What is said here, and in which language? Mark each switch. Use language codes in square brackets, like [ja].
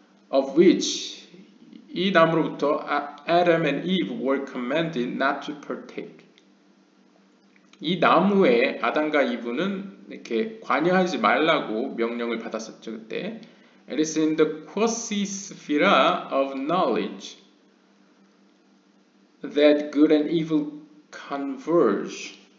[en] Of which [ko] 이 나무로부터 [en] Adam and Eve were commanded not to partake. [ko] 이 나무에 아담과 이브는 이렇게 관여하지 말라고 명령을 받았었죠, 그때. [en] It is in the quasi-sphere of knowledge that good and evil converge.